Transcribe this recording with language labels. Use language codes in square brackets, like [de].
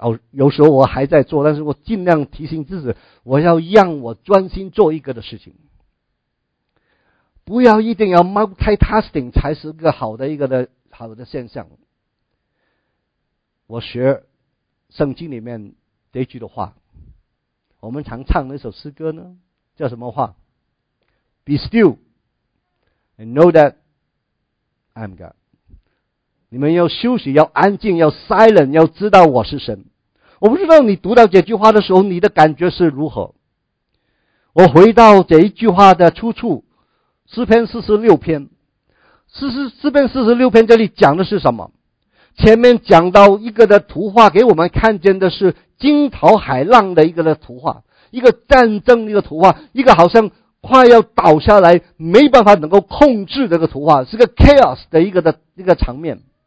[zh] 有时候我还在做，但是我尽量提醒自己，我要让我专心做一个的事情，不要一定要 multitasking 才是个好的一个现象。我学圣经里面这句的话，我们常唱那首诗歌呢，叫什么话？ [en] Be still and know that I'm God。 [zh] 你们要休息，要安静，要 silent， 要知道我是神。我不知道你读到这句话的时候你的感觉是如何。我回到这一句话的出处，诗篇四十六篇。诗篇四十六篇这里讲的是什么？前面讲到一个的图画给我们看见的是惊涛骇浪的一个图画，一个战争的一个图画，一个好像快要倒下来没办法能够控制的一个图画，是个 chaos 的一个场面。